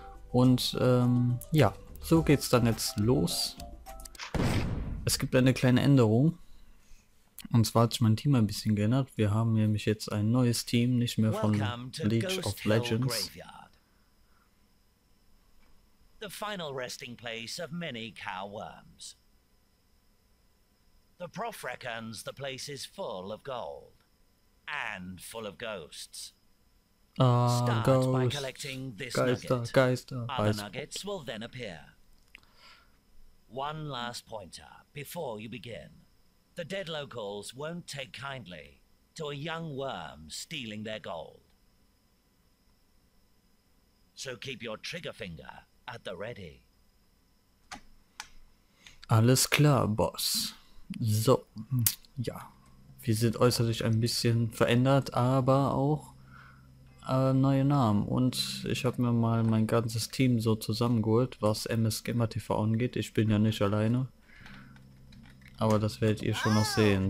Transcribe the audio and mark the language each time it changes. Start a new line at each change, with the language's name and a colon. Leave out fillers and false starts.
German: Und so geht's dann jetzt los. Es gibt eine kleine Änderung. Und zwar hat sich mein Team ein bisschen geändert. Wir haben nämlich jetzt ein neues Team, nicht mehr von League of Legends.
English: The final resting place of many cowworms. The prof reckons the place is full of gold and full of ghosts. Start by collecting this nugget. Other nuggets will then appear. One last pointer before you begin. The dead locals won't take kindly to a young worm stealing their gold. So keep your trigger finger at the ready.
German: Alles klar, Boss. So, ja, wir sind äußerlich ein bisschen verändert, aber auch neue Namen. Und ich habe mir mal mein ganzes Team so zusammengeholt, was MS Gamer TV angeht. Ich bin ja nicht alleine, aber das werdet ihr schon noch sehen.